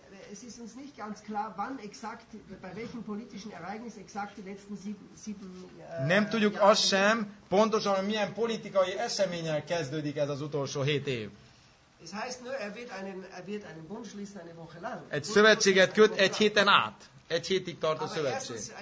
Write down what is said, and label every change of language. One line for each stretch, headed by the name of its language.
German: Es ist uns nicht ganz klar, wann exakt, bei welchem politischen Ereignis exakt die letzten sieben
Hungarian: nem tudjuk azt sem, pontosan, hogy milyen politikai eseménnyel kezdődik ez az utolsó hét év.
German: Es heißt nur, er wird einen Bund schließen eine Woche lang.
Hungarian: Egy szövetséget köt egy héten át. Egy hétig tart a szövetség.